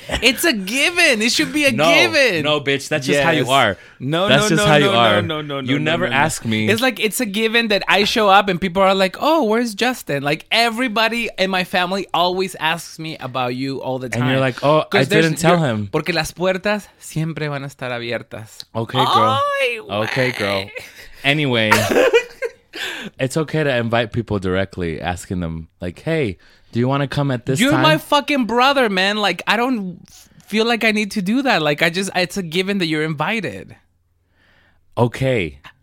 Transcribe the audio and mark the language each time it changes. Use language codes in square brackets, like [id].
[en] It's a given. It should be a given. No, bitch. That's just how you are. No, that's just how you are. You never ask me. It's like, it's a given that I show up and people are like, oh, where's Justin? Like, everybody in my family always asks me about you all the time. And you're like, oh, I didn't tell him. [es] Porque las puertas siempre van a estar abiertas. [en] Okay, girl. Anyway, it's okay to invite people directly, asking them like, hey, do you want to come at this You're time? You're my fucking brother, man. Like, I don't feel like I need to do that. Like, it's a given that you're invited. Okay.